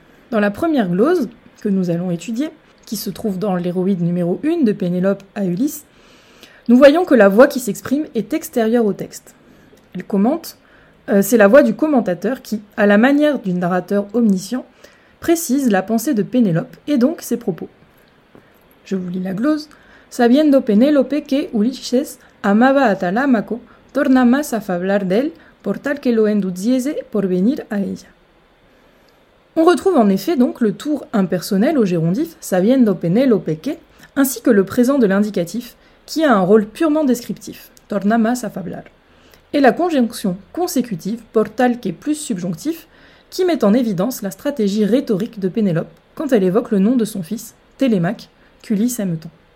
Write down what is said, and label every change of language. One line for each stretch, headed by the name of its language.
French: Dans la première glose que nous allons étudier, qui se trouve dans l'héroïde numéro 1 de Pénélope à Ulysse, nous voyons que la voix qui s'exprime est extérieure au texte. Elle commente, c'est la voix du commentateur qui, à la manière d'un narrateur omniscient, précise la pensée de Pénélope et donc ses propos. Je vous lis la glose.
Spanish: Sabiendo Penélope que Ulysses amaba a Talamaco, torna más a hablar del, por tal que lo enduziese por venir a ella.
French: On retrouve en effet donc le tour impersonnel au gérondif,
Spanish: sabiendo Penélope que,
French: ainsi que le présent de l'indicatif, qui a un rôle purement descriptif,
Spanish: torna más a hablar.
French: Et la conjonction consécutive,
Spanish: por tal que
French: plus subjonctif, qui met en évidence la stratégie rhétorique de Pénélope quand elle évoque le nom de son fils, Télémaque, qu'Ulysse aime tant.